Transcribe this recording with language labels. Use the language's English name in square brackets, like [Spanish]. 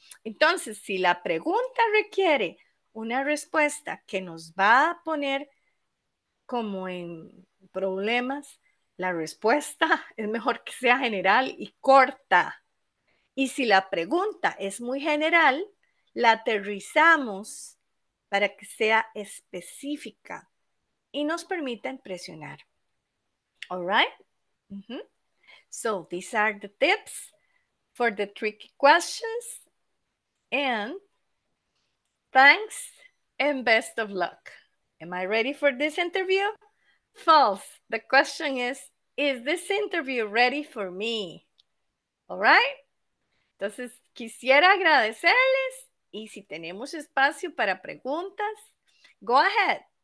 [Spanish] Entonces, si la pregunta requiere una respuesta que nos va a poner como en problemas, la respuesta es mejor que sea general y corta. Y si la pregunta es muy general, la aterrizamos para que sea específica y nos permita impresionar. [English] All right? Mm-hmm. So these are the tips for the tricky questions. And thanks and best of luck. Am I ready for this interview? False. The question is this interview ready for me? All right? [Spanish] Entonces, quisiera agradecerles y si tenemos espacio para preguntas, [English] go ahead.